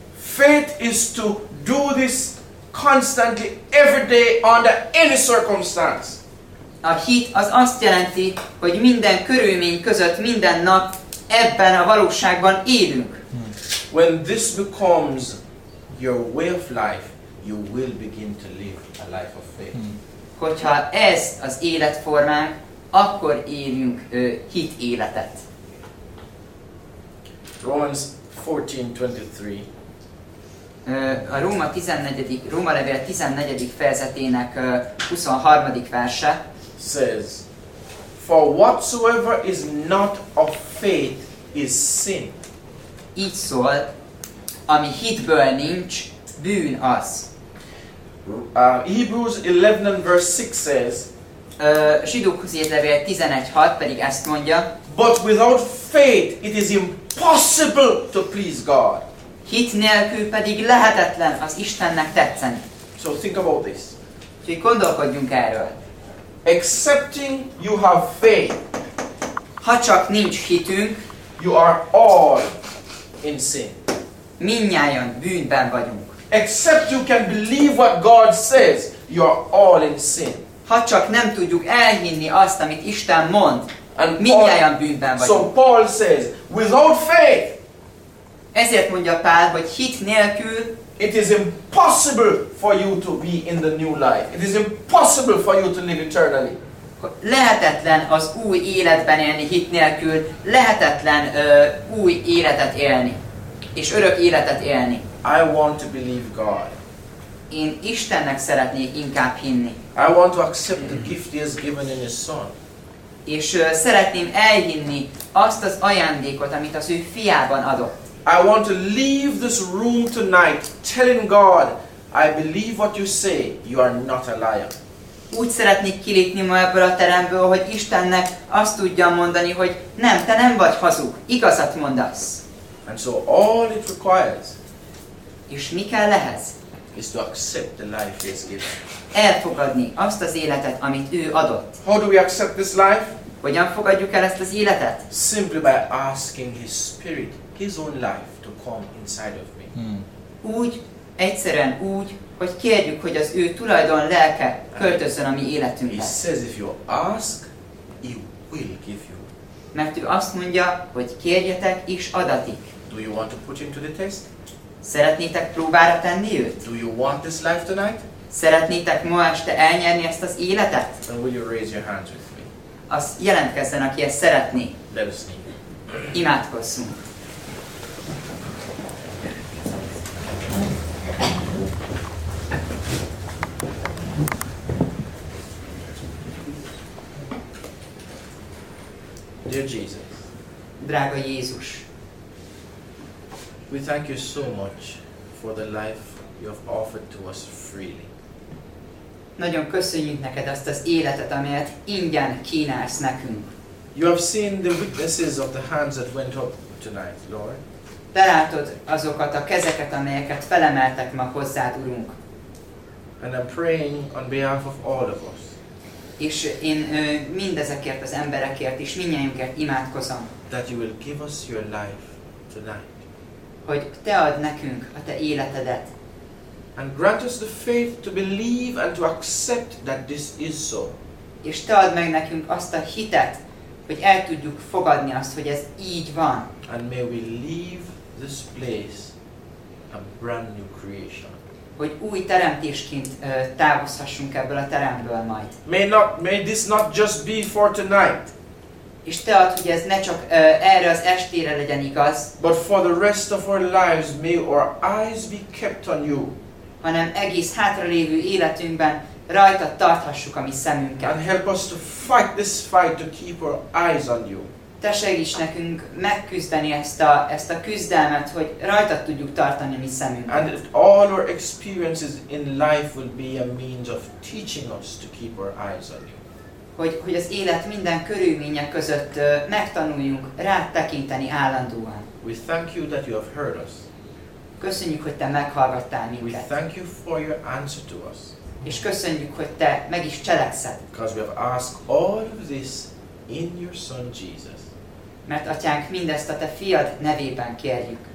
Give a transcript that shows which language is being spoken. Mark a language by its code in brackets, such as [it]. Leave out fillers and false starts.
[en] Faith is to do this constantly every day under any circumstance. [hu] A hit az azt jelenti, hogy minden körülmény között, minden nap ebben a valóságban élünk. [en] When this becomes your way of life, you will begin to live a life of faith. [hu] Hogyha ez az életformánk, akkor élünk hit életet. [en] Romans 14:23. [hu] A Róma 14. Róma levél 14. fejezetének 23. verse [en] says, "For whatsoever is not of faith is sin." [hu] Így szól, ami hitből nincs, bűn az. [en] Hebrews 11:6 says, [hu] Zsidók 11:6 pedig ezt mondja, [en] "But without faith it is impossible to please God." [hu] Hit nélkül pedig lehetetlen az Istennek tetszeni. [en] So think about this. [hu] Úgyhogy gondolkodjunk erről. [en] Excepting you have faith, [hu] ha csak nincs hitünk, [en] you are all in sin. [hu] Mindnyájan bűnben vagyunk. [en] Except you can believe what God says, you are all in sin. [hu] Ha csak nem tudjuk elhinni azt, amit Isten mond, mindnyájan bűnben vagyunk. [en] So Paul says, without faith. [hu] Ezért mondja Pál, hogy hit nélkül. [en] It is impossible for you to be in the new life. It is impossible for you to live eternally. [hu] Lehetetlen az új életben élni hit nélkül, lehetetlen új életet élni és örök életet élni. [en] I want to believe God. [hu] Én Istennek szeretnék inkább hinni. [en] I want to accept the gift He has given in His Son. [hu] És szeretném elhinni azt az ajándékot, amit az ő fiában adott. [en] I want to leave this room tonight telling God, I believe what you say, you are not a liar. [hu] Úgy szeretnék kilépni ma ebből a teremből, hogy Istennek azt tudjam mondani, hogy nem, te nem vagy hazug, igazat mondasz. [en] And so all it requires, [hu] és mi kell ehhez? [en] Is to accept the life He has given. [hu] Elfogadni azt az életet, amit ő adott. [en] How do we accept this life? [hu] Hogyan fogadjuk el ezt az életet? [en] Simply by asking His Spirit, His own life to come inside of me. [hu] Úgy, egyszerűen úgy, hogy kérjük, hogy az ő tulajdon lelke költözön a mi életünkbe. [en] He says if you ask, He will give you. [hu] Mert ő azt mondja, hogy kérjetek és adatik. [en] Do you want to put him to the test? [hu] Szeretnétek próbára tenni őt? [en] Do you want this life tonight? [hu] Szeretnétek ma este elnyerni ezt az életet? [en] Then will you raise your hands with me? [hu] Azt jelentkezzen, aki ezt szeretné. [en] Let us pray. [hu] Imádkozzunk. [en] Dear Jesus. [hu] Drága Jézus. [en] We thank you so much for the life you have offered to us freely. [hu] Nagyon köszönjük neked azt az életet, amelyet ingyen kínálsz nekünk. [en] You have seen the witnesses of the hands that went up tonight, Lord. [hu] Te látod azokat a kezeket, amelyeket felemeltek ma hozzád, Urunk. [en] And I'm praying on behalf of all of us. [hu] És én mindezekért az emberekért is mindnyájunkért imádkozom. [en] That you will give us your life tonight. [hu] Hogy te add nekünk a te életedet. [en] And grant us the faith to believe and to accept that this is so. [hu] És te add meg nekünk azt a hitet, hogy el tudjuk fogadni azt, hogy ez így van. [en] And may we leave this place a brand new creation. [hu] Hogy új teremtésként távozhassunk ebből a teremből majd. [en] May this not just be for tonight. [hu] És te add, hogy ez ne csak erre az estére legyen igaz. [en] But for the rest of our lives, may our eyes be kept on you. [hu] Hanem egész hátralévő életünkben rajtad tarthassuk a mi szemünket. [en] And help us to fight this fight to keep our eyes on you. [hu] Te segíts nekünk megküzdeni ezt a küzdelmet, hogy rajtad tudjuk tartani a mi szemünket. [en] And all our experiences in life will be a means of teaching us to keep our eyes on you. [hu] Hogy az élet minden körülménye között megtanuljunk rád tekinteni állandóan. [en] We thank you that you have heard us. [hu] Köszönjük, hogy te meghallgattál minket. [en] We thank you for your answer to us. [hu] És köszönjük, hogy te meg is cselekszed. [en] Because we have asked all of this in your Son Jesus. [hu] Mert atyánk, mindezt a te fiad nevében kérjük.